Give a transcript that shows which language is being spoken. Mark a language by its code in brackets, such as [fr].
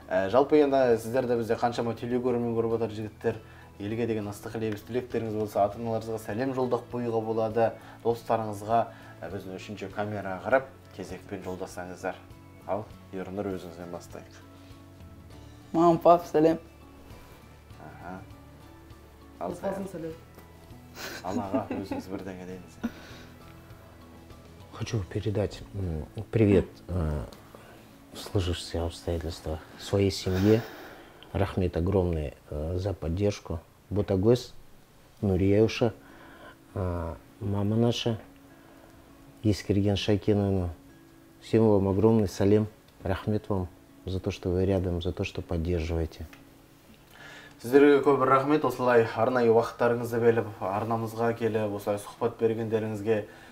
[kk] Жалпы енді сіздер де бізде қаншама телекөрермен көріп отырған жігіттер, елге деген ыстық лебіз тілектеріңіз болса, ата-аналарыңызға сәлем жолдақ бойыға болады, достарыңызға біздің үшінші камераға қарап, кезекпен жолдасаңыздар. Ал, Ернұр, өзіңізден бастайық. Мам, пап, сәлем. Аха. Ал, сәлем. Сәлем. Анаға, өзіңіз бірдеңе дейіңіз. [ru] Хочу передать привет сложившиеся обстоятельства своей семье. Рахмет огромный за поддержку. Ботагөз, Нуриеуша, мама наша, Ескерген Шайкинова. Всем вам огромный салем, рахмет вам за то, что вы рядом, за то, что поддерживаете. [kk] Сіздерге көп рахмет, осылай арнайы уақыттарыңызды беріп, арнамызға келіп, осылай сұхбат бергендеріңізге.